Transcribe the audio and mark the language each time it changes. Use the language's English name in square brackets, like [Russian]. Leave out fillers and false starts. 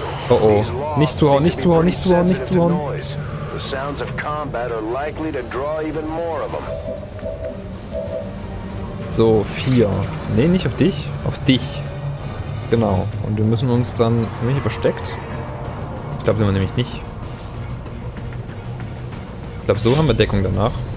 [German] Oh oh, nicht zuhauen, nicht zuhauen, nicht zuhauen, nicht zuhauen. [English] The sounds of combat are likely to draw even more of them. [German] So, 4. Nee, nicht auf dich, auf dich. Genau, und wir müssen uns dann ziemlich versteckt. Ich glaube, sind wir nämlich nicht. Ich glaube, so haben wir Deckung danach.